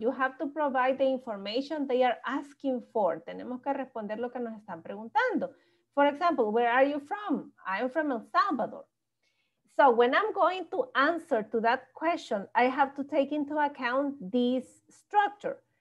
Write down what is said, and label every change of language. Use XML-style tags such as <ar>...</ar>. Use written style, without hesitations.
<en>You have to provide the information they are asking for.</en> <es>Tenemos que responder lo que nos están preguntando.</es> <en>For example, where are you from? I am from El Salvador. So when I'm going to answer to that question, I have to take into account this structure.</en>